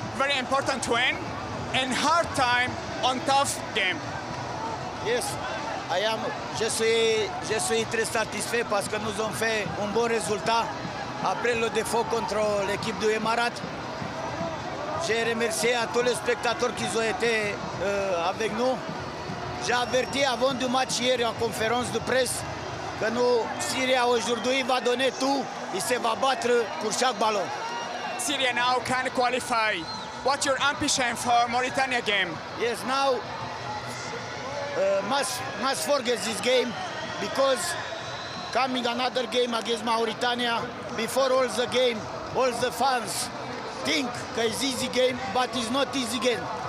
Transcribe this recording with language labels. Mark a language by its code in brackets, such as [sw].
[en] Very important win and hard time on tough game. Yes, I am. [fr] Je suis très satisfait parce que nous avons fait un bon résultat après le défaut contre l'équipe du Emirat. J'ai remercié à tous les spectateurs qui ont été avec nous. J'ai averti avant du match hier en conférence de presse que nous, Syria aujourd'hui va donner tout et se va battre pour chaque ballon. [en] Syria now can qualify. What's your ambition for Mauritania game? Yes, now must forget this game because coming another game against Mauritania. Before all the game, all the fans think that it's easy game, but it's not easy game.